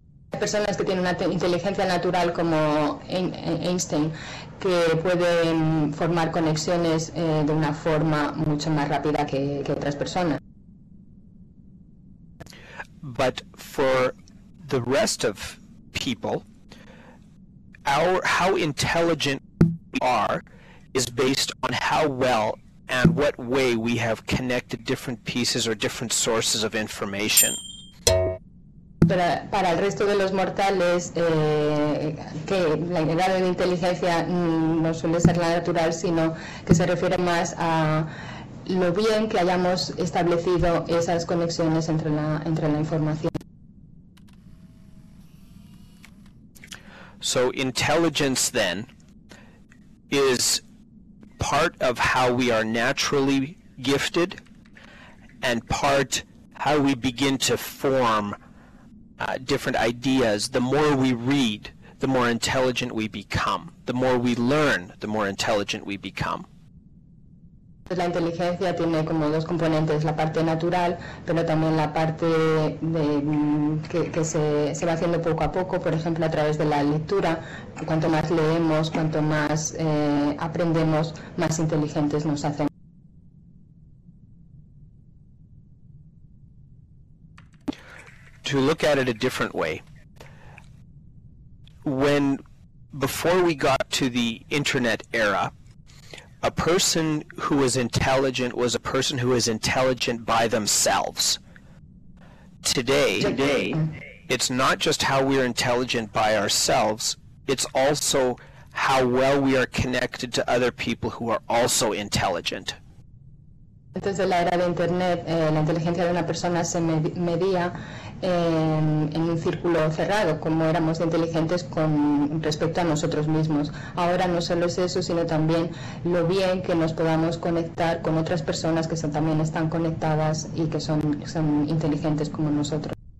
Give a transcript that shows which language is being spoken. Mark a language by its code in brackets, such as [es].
[es] Personas que tienen una inteligencia natural como Einstein, que pueden formar conexiones de una forma mucho más rápida que otras personas. [en] But for the rest of people, how intelligent we are is based on how well and what way we have connected different pieces or different sources of information. [es] Para el resto de los mortales, que la grado de inteligencia no suele ser la natural, sino que se refiere más a lo bien que hayamos establecido esas conexiones entre la información. [en] So intelligence then is part of how we are naturally gifted and part how we begin to form different ideas. The more we read, the more intelligent we become. The more we learn, the more intelligent we become. [es] La inteligencia tiene como dos componentes, la parte natural, pero también la parte de, que se va haciendo poco a poco, por ejemplo, a través de la lectura. Cuanto más leemos, cuanto más aprendemos, más inteligentes nos hacemos. [en] To look at it a different way, when before we got to the internet era, a person who was intelligent was a person who was intelligent by themselves. Today, it's not just how we are intelligent by ourselves, it's also how well we are connected to other people who are also intelligent. [es] Desde la era de internet, la inteligencia de una persona se medía en un círculo cerrado, como éramos inteligentes con respecto a nosotros mismos. Ahora no solo es eso, sino también lo bien que nos podamos conectar con otras personas que también están conectadas y que son inteligentes como nosotros.